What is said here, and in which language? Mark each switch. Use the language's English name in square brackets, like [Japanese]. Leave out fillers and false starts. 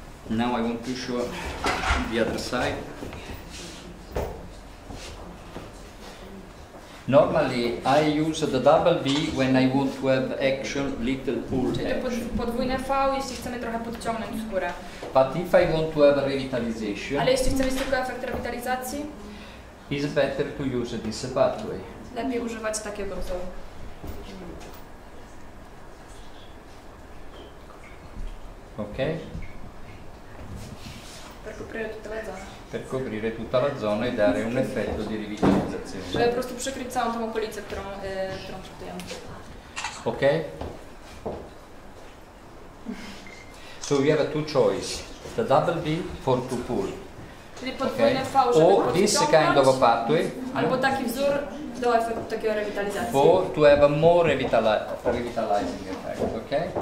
[English] Now I want to show the other side. Normally I use the double V when I want to have action, little pull action. [Polish] Czyli to podwójne V, jeśli chcemy trochę podciągnąć w górę. [English] But if I want to have a revitalization, [Polish] ale jeśli chcemy tylko efekt rewitalizacji, [English] it's better to use this pathway. [Polish] Lepiej używać takiego wzoru. [English] Okay. [Italian] Per coprire tutta la zona e dare un effetto di rivitalizzazione. Cioè, proprio [Polish] przykryć całą tą okolicę, którą [Italian] trattiamo. [Polish] Ok? [English] So we have two choices. The double V for two pull. [Polish] Czyli podwójne V, żeby [English] this kind of a pathway. [Polish] Albo taki wzór do efektu takiego rewitalizacji. [English] For to have a more revitalizing effect, ok?